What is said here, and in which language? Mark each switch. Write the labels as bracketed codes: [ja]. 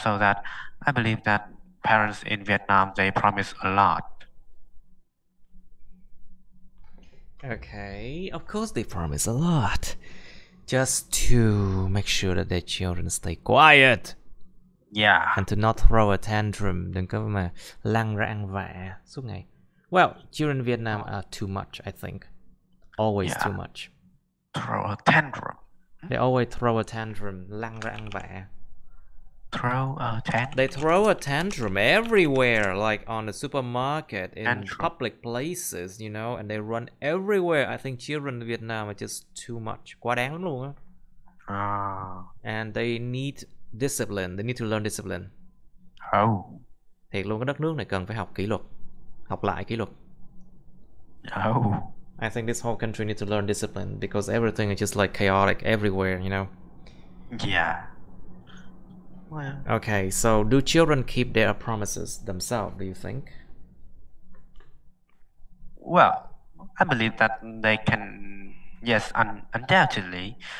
[en] So that I believe that parents in Vietnam, they promise a lot. Okay, of course they promise a lot. Just to make sure that their children stay quiet. Yeah. And to not throw a tantrum. [vi] Đừng có mà lăng ra ăn vạ suốt ngày. [en] Well, children in Vietnam are too much, I think. Always too much. Throw a tantrum. They always throw a tantrum. [vi] Lăng ra ăn vạ. [en] Throw a tantrum. They throw a tantrum everywhere, like on the supermarket, in public places, you know, and they run everywhere. I think children in Vietnam are just too much. [vi] Quá đáng lắm luôn á. [en] And they need discipline. They need to learn discipline. Oh. [vi] Thiệt luôn, cái đất nước này cần phải học kỷ luật. Học lại kỷ luật. [en] Oh. I think this whole country needs to learn discipline because everything is just like chaotic everywhere, you know. Yeah. Okay, so do children keep their promises themselves, do you think? Well, I believe that they can, yes, undoubtedly.